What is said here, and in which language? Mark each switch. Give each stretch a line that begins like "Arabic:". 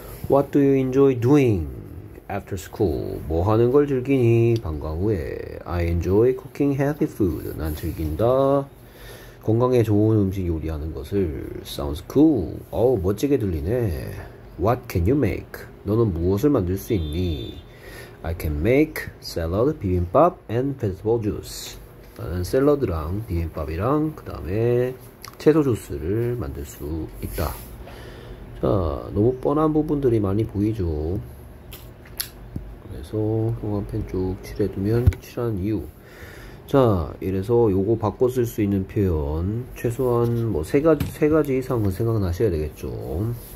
English: What do you enjoy doing after school?
Korean: 뭐 하는 걸 즐기니? 방과 후에.
English: I enjoy cooking healthy food.
Korean: 난 즐긴다. 건강에 좋은 음식 요리하는 것을.
English: Sounds cool.
Korean: 어우, 멋지게 들리네.
English: What can you make?
Korean: 너는 무엇을 만들 수 있니?
English: I can make salad, 비빔밥, and vegetable juice.
Korean: 나는 샐러드랑 비빔밥이랑 그 다음에 채소 주스를 만들 수 있다. 자, 너무 뻔한 부분들이 많이 보이죠? 그래서 형광펜 쭉 칠해두면 칠한 이유. 자, 이래서 요거 바꿔 쓸수 있는 표현 최소한 뭐세 가지 이상은 생각나셔야 되겠죠.